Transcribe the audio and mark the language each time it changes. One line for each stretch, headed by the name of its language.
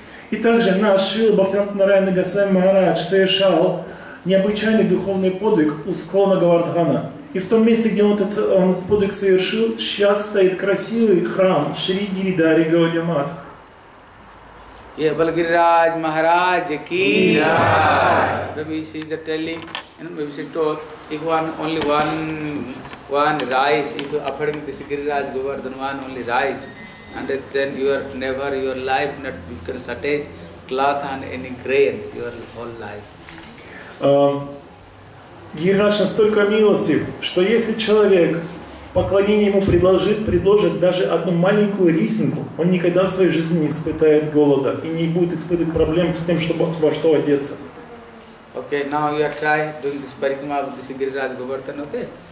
Russian: И также наш Шрила Бхактивинода Нараяна Госвами Махарадж совершал необычайный духовный подвиг у склона Говардхана. И в том месте, где он этот подвиг совершил, сейчас стоит красивый храм Шри Гиридари Гаудия Матх. Yeah, Balgiriraj Maharaj ki jai.
English: Maybe she is telling, you know, maybe she told, if one, only one rice, if you offering this Giriraj Govardhan, one only rice, and then your life not, you can shortage cloth and any grains, your whole life.
Russian: Giriraj настолько милостив, что если человек в поклонении ему предложит даже одну маленькую рисинку, он никогда в своей жизни не испытает голода и не будет испытывать проблем с тем, чтобы во что одеться.
English: Okay, now you are try doing this parikrama of this Giriraj Govardhan, okay?